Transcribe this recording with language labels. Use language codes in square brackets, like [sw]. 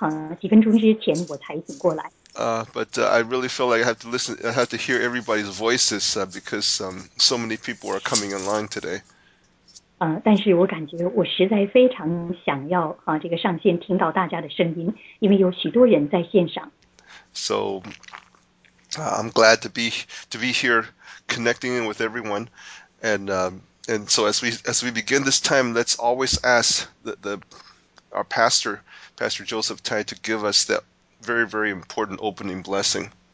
[zh] 所以我就去休息了一下，然后刚才在刚刚几分钟之前我才醒过来。 [en] But I really feel like I have to hear everybody's voices because so many people are coming online today. [zh] 但是我感觉我实在非常想要这个上线听到大家的声音，因为有许多人在线上。 [en] So I'm glad to be here connecting in with everyone and. And so as we begin this time, let's always ask our Pastor Joseph Tai to give us that very, very important opening blessing.